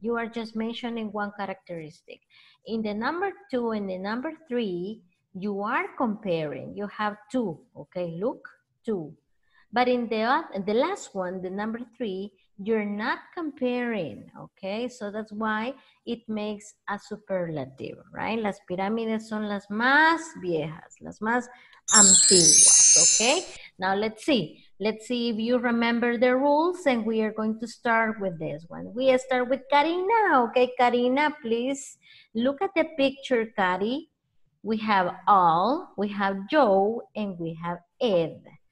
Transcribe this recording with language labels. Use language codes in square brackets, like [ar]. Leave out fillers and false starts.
[en] You are just mentioning one characteristic. In the number two and the number three, you are comparing. You have two, okay? Look, two. But in the last one, the number three, you're not comparing, okay? So that's why it makes a superlative, right? [es] Las pirámides son las más viejas, las más antiguas, okay? [en] Now let's see. Let's see if you remember the rules, and we are going to start with this one. We start with Karina, okay? Karina, please look at the picture, Kari. We have all, we have Joe, and we have Ed.